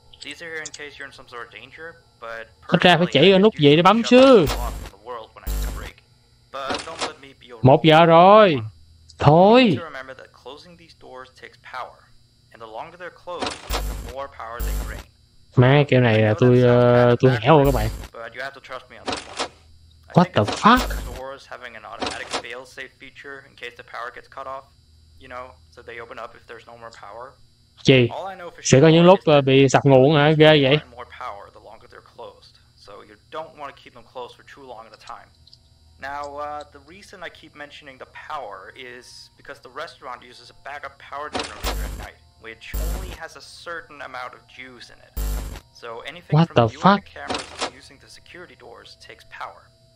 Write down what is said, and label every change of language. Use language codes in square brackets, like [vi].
[en] These are here in case you're in some sort of danger, but personally, I need you to shut off the world when I need a break. But don't let me be your rule. You need to remember that closing these doors takes power, and the longer they're closed, the more power they drain. [vi] Má, kiểu này là tôi hẻo rồi các bạn. [en] But you have to trust me on this one. What the fuck? Having an automatic fail-safe feature in case the power gets cut off, you know, so they open up if there's no more power. [vi] Gì? Sẽ có những lúc bị sạc nguồn hả? Ghê vậy? [en] More power the longer they're closed, so you don't want to keep them closed for too long at a time. Now, the reason I keep mentioning the power is because the restaurant uses a backup power generator at night, which only has a certain amount of juice in it. So anything from the cameras using the security doors takes power.